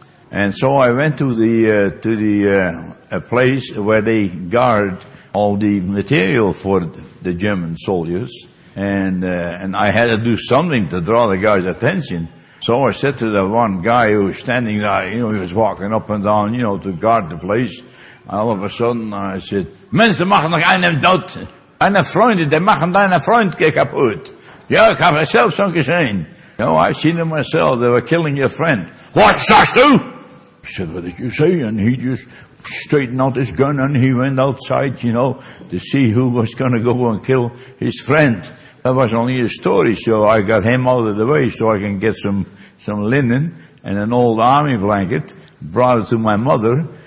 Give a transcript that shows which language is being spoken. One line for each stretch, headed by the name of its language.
English: And so I went to the place where they guard all the material for the German soldiers, and I had to do something to draw the guard's attention. So I said to the one guy who was standing there, you know, he was walking up and down, you know, to guard the place. All of a sudden, I said,
Dutch: Mensen machen einen dood.
German: Deine Freunde, die machen deine Freunde kaputt. Ja, ich habe selbst schon gesehen.
English: You know, I've seen it myself. They were killing your friend.
German: What sagst du?
English: He said, what did you say? And he just straightened out his gun and he went outside, you know, to see who was going to go and kill his friend. That was only a story, so I got him out of the way so I can get some linen and an old army blanket, brought it to my mother.